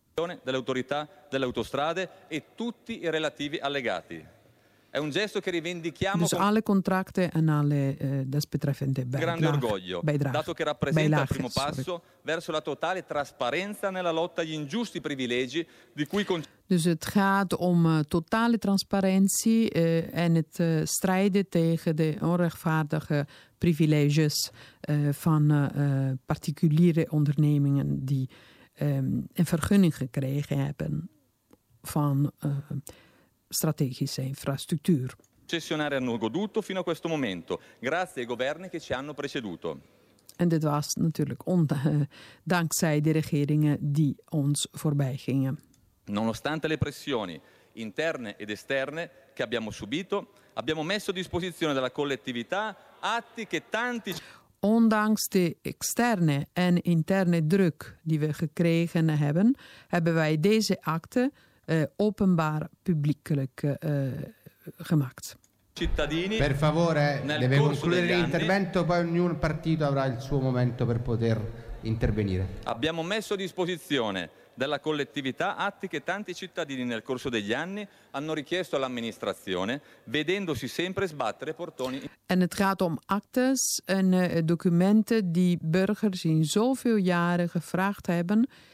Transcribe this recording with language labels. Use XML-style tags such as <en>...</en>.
<it>Dell'autorità delle autostrade e tutti i relativi allegati. È un gesto che rivendichiamo.</it> <nl>Dus alle contracten en alle desbetreffende bijdrage.</nl> <it>Dato che rappresenta il primo passo verso la totale trasparenza nella lotta agli ingiusti privilegi di cui.</it> <nl>Dus het gaat om totale transparantie en het strijden tegen de onrechtvaardige privileges van particuliere ondernemingen die een vergunning gekregen hebben van. Strategische infrastructuur.</nl> <it>Concessionari hanno goduto fino a questo momento, grazie ai governi che ci hanno preceduto.</it> <nl>En dit was natuurlijk dankzij de regeringen die ons voorbij gingen.</nl> <it>Nonostante le pressioni interne ed esterne che abbiamo subito, abbiamo messo a disposizione della collettività atti che tanti.</it> <nl>Ondanks de externe en interne druk die we gekregen hebben, hebben wij deze akten openbaar publiekelijk gemaakt.</nl> <it>Cittadini, per favore, deve concludere l'intervento, poi ognuno partito avrà il suo momento per poter intervenire. Abbiamo messo a disposizione della collettività atti che tanti cittadini nel corso degli anni hanno richiesto all'amministrazione, vedendosi sempre sbattere portoni.</it> <nl>En het gaat om actes en documenten die burgers in zoveel jaren gevraagd hebben.</nl>